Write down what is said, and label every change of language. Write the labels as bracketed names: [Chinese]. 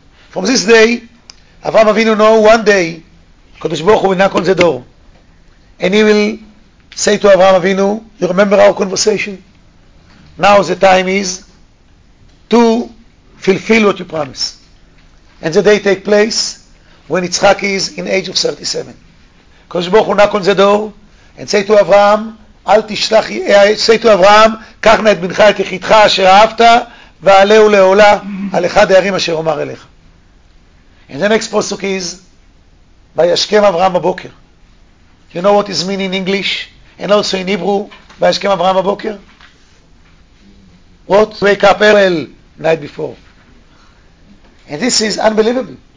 [English] From this day, Abraham Avinu know one day, Kodesh Baruch Hu will knock on the door. And he will say to Abraham Avinu, you remember our conversation? Now the time is to fulfill what you promised. And the day take place, when Yitzchak is in age of 37. Kosh Baruch Hu knock on the door and say to Avraham, [Hebrew] אל תשלח, [English] say to Avraham, [Hebrew] קח נא את בנך את יחידך אשר אהבת ועלהו לעולה על אחד הערים אשר אומר אליך. [English] And the next פסוק is, [Hebrew] וישכם אברהם בבוקר. [English] You know what is mean in English and also in Hebrew, [Hebrew] וישכם אברהם בבוקר? [English] What? Wake up early night before. And this is unbelievable.